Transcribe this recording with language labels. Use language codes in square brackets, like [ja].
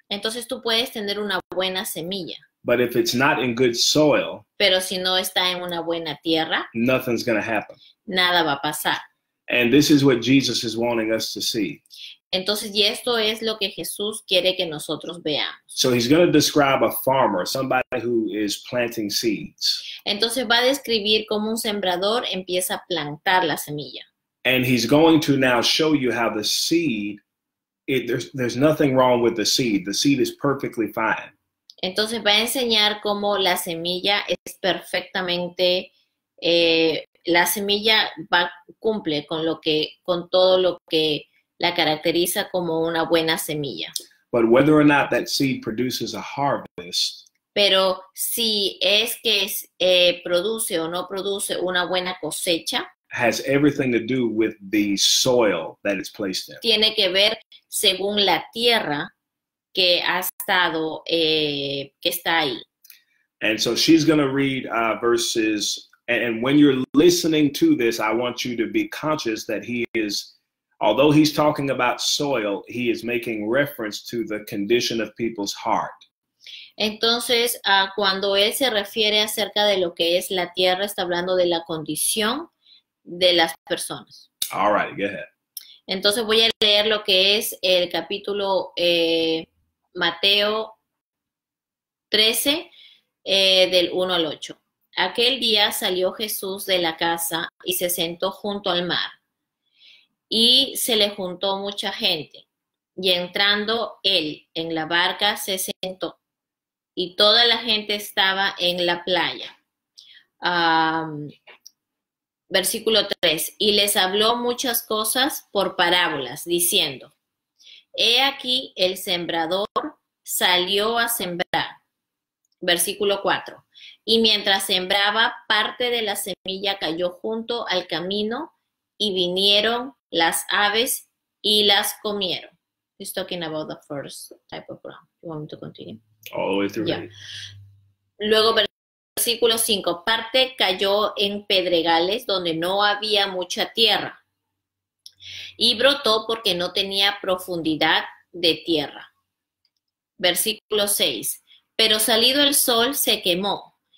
[es] Entonces tú puedes tener una buena semilla. [en] But if it's not in good soil, [es] pero si no está en una buena tierra, [en] nothing's going to happen. [es] Nada va a pasar. [en] And this is what Jesus is wanting us to see. [es] Entonces, y esto es lo que Jesús quiere que nosotros veamos. [en] So he's going to describe a farmer, somebody who is planting seeds. [es] Entonces va a describir cómo un sembrador empieza a plantar la semilla. [en] And he's going to now show you how the seed, there's nothing wrong with the seed. The seed is perfectly fine. [es] Entonces va a enseñar cómo la semilla es perfectamente, la semilla va, cumple con lo que, con todo lo que la caracteriza como una buena semilla. [en] But whether or not that seed produces a harvest, [es] pero si es que es, produce o no produce una buena cosecha, [en] has everything to do with the soil that it's placed in. [es] Tiene que ver según la tierra que ha estado, que está ahí. [en] And so she's going to read verses, and when you're listening to this, I want you to be conscious that he is, although he's talking about soil, he is making reference to the condition of people's heart. [es] Entonces, cuando él se refiere acerca de lo que es la tierra, está hablando de la condición de las personas. [en] All right, go ahead. [es] Entonces voy a leer lo que es el capítulo Mateo 13, del 1 al 8. Aquel día salió Jesús de la casa y se sentó junto al mar. Y se le juntó mucha gente, y entrando él en la barca se sentó, y toda la gente estaba en la playa. Versículo 3, y les habló muchas cosas por parábolas, diciendo, he aquí el sembrador salió a sembrar. Versículo 4, y mientras sembraba, parte de la semilla cayó junto al camino, y vinieron las aves y las comieron. [en] He's talking about the first type of plant. You want me to continue? All the way through. [es] Yeah. Luego, versículo 5. Parte cayó en pedregales donde no había mucha tierra. Y brotó porque no tenía profundidad de tierra. Versículo 6. Pero salido el sol se quemó.